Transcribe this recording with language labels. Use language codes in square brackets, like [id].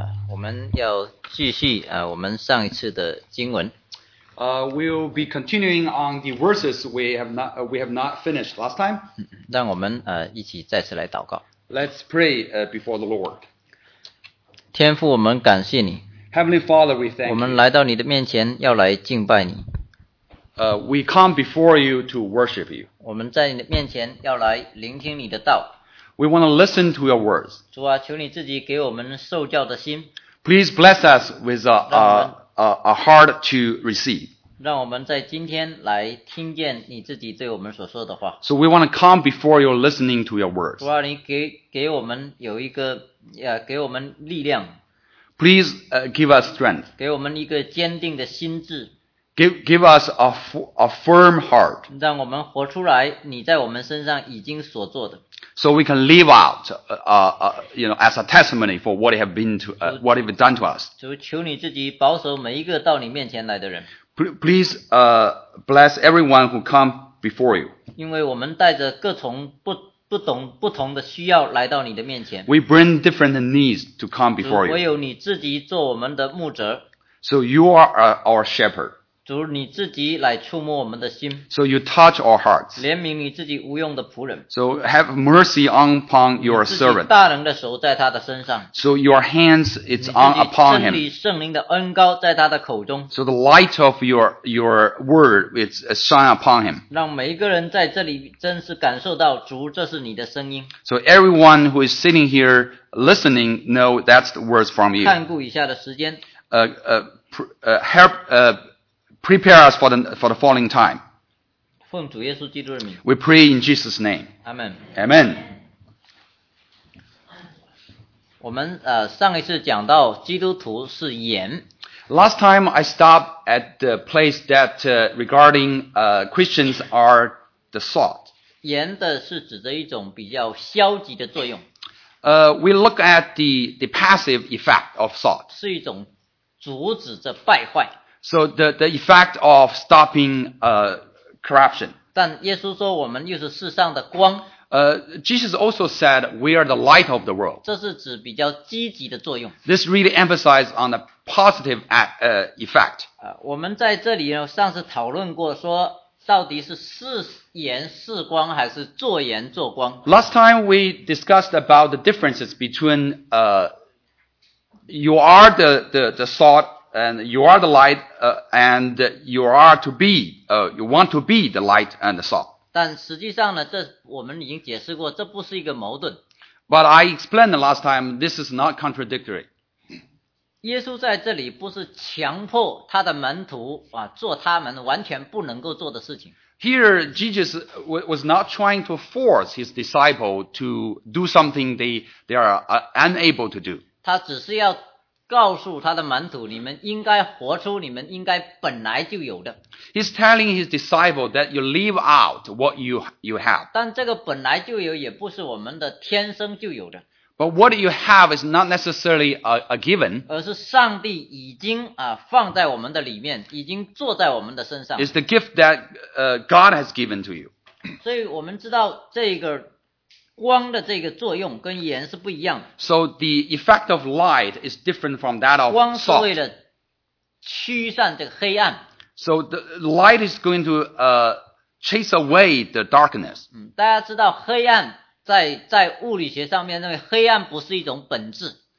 [zh] 我们要继续我们上一次的经文。 [en] We'll be continuing on the verses we have not finished last time. [zh] 让我们一起再次来祷告。 [en] Let's pray before the Lord. [zh] 天父，我们感谢你。 [en] Heavenly Father, we thank you. [zh] 我们来到你的面前，要来敬拜你。 [en] We come before you to worship you. [zh] 我们在你的面前要来聆听你的道。 [en] We want to listen to your words. [zh] 主啊，求你自己给我们受教的心。 [en] Please bless us with a heart to receive. [zh] 让我们在今天来听见你自己对我们所说的话。 [en] So we want to come before you listening to your words. [zh] 主啊，你给我们有一个给我们力量。 [en] Please give us strength. [zh] 给我们一个坚定的心智。 [en] Give us a firm heart. [zh] 让我们活出来你在我们身上已经所做的。 [en] So we can live out, as a testimony for what you have been to, what you have done to us. [zh] 主，求你自己保守每一个到你面前来的人。 [en] Please, bless everyone who come before you. [zh] 因为我们带着各种不同的需要来到你的面前。 [en] We bring different needs to come before you. [zh] 唯有你自己做我们的牧者。 [en] So you are our shepherd. [zh] 主，你自己来触摸我们的心。 [en] So you touch our hearts. [zh] 怜悯你自己无用的仆人。 [en] So have mercy upon your servant. [zh] 大能的手在他的身上。 [en] So your hands is on upon him. [zh] 你圣灵的恩膏在他的口中。 [en] So the light of your word is shine upon him. [zh] 让每一个人在这里真实感受到主，这是你的声音。 [en] So everyone who is sitting here listening know that's the words from you. [zh] 看顾以下的时间。 [en] Prepare us for the following time. [zh] 奉主耶稣基督的名。 [en] We pray in Jesus' name. Amen. Amen. [zh] 我们上一次讲到基督徒是盐。 [en] Last time I stopped at the place that regarding Christians are the salt. [zh] 盐的是指着一种比较消极的作用。 [en] We look at the passive effect of salt. [zh] 是一种阻止着败坏。 [en] So the effect of stopping corruption. [zh] 但耶稣说我们又是世上的光。 [en] Jesus also said we are the light of the world. [zh] 这是指比较积极的作用。 [en] This really emphasized on the positive effect. [zh] 我们在这里上次讨论过说到底是是盐是光还是做盐做光。 [en] Last time we discussed about the differences between you are the salt and you are the light, and you are to be, you want to be the light and the salt. [zh] 但实际上呢，这我们已经解释过，这不是一个矛盾。 [en] But I explained the last time, this is not contradictory. [zh] 耶稣在这里不是强迫他的门徒做他们完全不能够做的事情。 [en] Here, Jesus was not trying to force his disciple to do something they are unable to do. [zh] 他只是要告诉他的门徒，你们应该活出你们应该本来就有的。 [en] He's telling his disciple that you live out what you have. [zh] 但这个本来就有也不是我们的天生就有的。 [en] But what you have is not necessarily a given. [zh] 而是上帝已经放在我们的里面，已经坐在我们的身上。 [en] It's the gift that God has given to you. [zh] 所以我们知道这个光的这个作用跟盐是不一样的。 [en] So the effect of light is different from that of salt. [zh] 光是为了驱散这个黑暗。 [en] So the light is going to chase away the darkness. [zh] 大家知道黑暗在物理学上面认为黑暗不是一种本质。